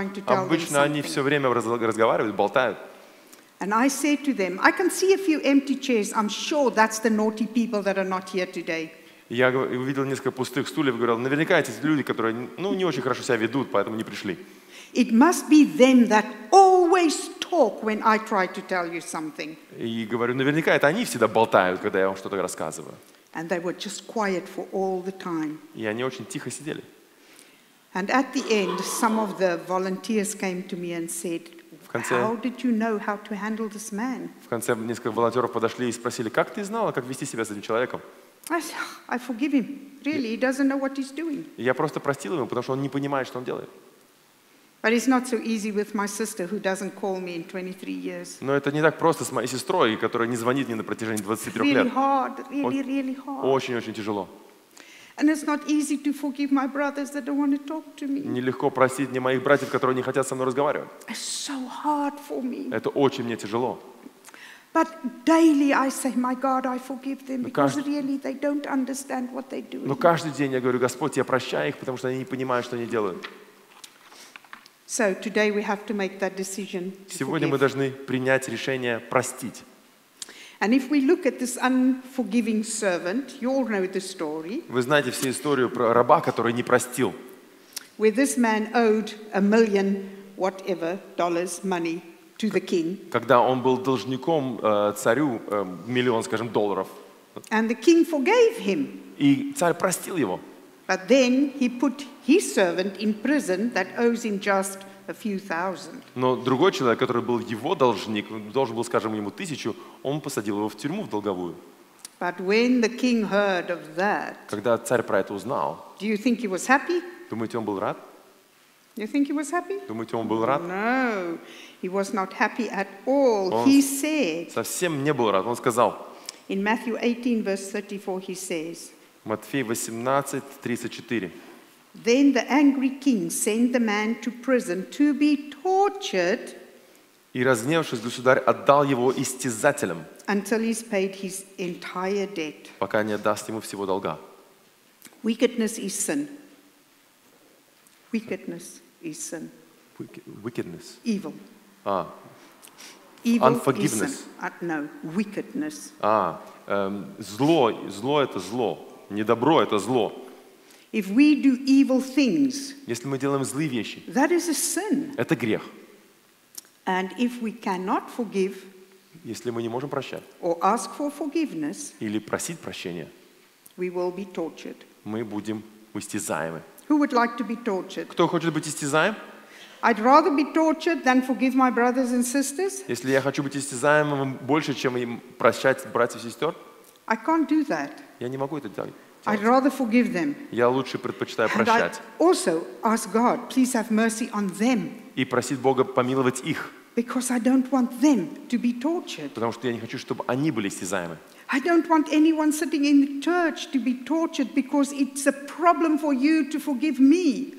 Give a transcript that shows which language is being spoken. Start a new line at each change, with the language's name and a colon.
Russian: Обычно они все время разговаривают, болтают.
English: And I said to them, I can see a few empty chairs. I'm sure that's the naughty people that are not here today.
Russian: Я увидел несколько пустых стульев и говорил, наверняка эти люди, которые, ну, не очень хорошо себя ведут, поэтому не пришли.
English: It must be them that always talk when I try to tell you something.
Russian: И говорю, наверняка это они всегда болтают, когда я вам что-то рассказываю.
English: And they were just quiet for all the time.
Russian: И они очень тихо сидели.
English: And at the end, some of the volunteers came to me and said, "How did you know how to handle this man?"
Russian: В конце несколько волонтеров подошли и спросили, как ты знала, как вести себя с этим человеком?
English: I forgive him. Really, he doesn't know what he's doing.
Russian: Я просто простил его, потому что он не понимает, что он делает.
English: But it's not so easy with my sister, who doesn't call me in 23 years.
Russian: Но это не так просто с моей сестрой, которая не звонит мне на протяжении 23
English: really
Russian: лет.
English: Really hard, really, really hard.
Russian: Очень-очень тяжело.
English: And it's not easy to forgive my brothers that don't want to talk to me.
Russian: Нелегко простить мне моих братьев, которые не хотят со мной разговаривать.
English: It's so hard for me.
Russian: Это очень мне тяжело.
English: But daily I say, my God, I forgive them because really they don't understand what they're doing.
Russian: Но каждый день я говорю, Господь, я прощаю их, потому что они не понимают, что они делают.
English: So today we have to make that decision.
Russian: Сегодня мы должны принять решение простить.
English: And if we look at this unforgiving servant, you all know the story.
Russian: Вы знаете всю историю про раба, который не простил.
English: Where this man owed a million whatever dollars money to the king.
Russian: Когда он был должником царю миллион, скажем, долларов.
English: And the king forgave him.
Russian: И царь простил его.
English: But then he put his servant in prison that owes him just a few thousand.
Russian: Но другой человек, который был его должник, должен был, скажем, ему тысячу, он посадил его в тюрьму в долговую.
English: But when the king heard of that,
Russian: когда царь про это узнал,
English: do you think he was happy?
Russian: Думаете, он был рад?
English: You think he was happy?
Russian: Думаете, он был рад?
English: No, he was not happy at all. He said.
Russian: Совсем не был рад. Он сказал.
English: In Matthew 18, verse 34, he says.
Russian: Матфея 18:34.
English: Then the angry king sent the man to prison to be tortured.
Russian: И разгневавшись, государь отдал его истязателям.
English: Until he's paid his entire debt.
Russian: Пока не отдаст ему всего долга.
English: Wickedness is sin. Wickedness is sin. Wickedness. Evil. Evil. Unforgiveness. No, wickedness.
Russian: Зло это зло. Недобро – это зло.
English: If we do evil things,
Russian: если мы делаем злые вещи,
English: that is a sin.
Russian: Это грех.
English: And if we cannot forgive,
Russian: если мы не можем прощать
English: or ask for forgiveness,
Russian: или просить прощения,
English: we will be tortured.
Russian: Мы будем истязаемы.
English: Who would like to be tortured?
Russian: Кто хочет быть истязаем?
English: I'd rather be tortured than forgive my brothers and sisters.
Russian: Если я хочу быть истязаемым больше, чем прощать братьев и сестер,
English: I can't do that.
Russian: Я не могу это делать.
English: I'd rather forgive them.
Russian: Я лучше предпочитаю прощать.
English: Also, ask God, please have mercy on them.
Russian: И просить Бога помиловать их.
English: Because I don't want them to be tortured.
Russian: Потому что я не хочу, чтобы они были истязаемы.
English: I don't want anyone sitting in the church to be tortured because it's a problem for you to forgive me.